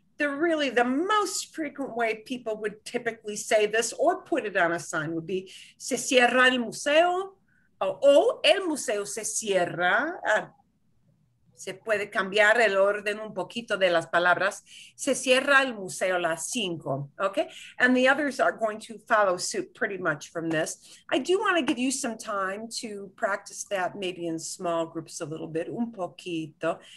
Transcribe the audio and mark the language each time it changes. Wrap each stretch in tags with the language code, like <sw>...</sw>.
<en>The most frequent way people would typically say this or put it on a sign would be</en> <es>se cierra el museo o el museo se cierra. Se puede cambiar el orden un poquito de las palabras. Se cierra el museo a las 5, okay?</es> <en>And the others are going to follow suit pretty much from this. I do want to give you some time to practice that maybe in small groups a little bit,</en> <es>un poquito.</es>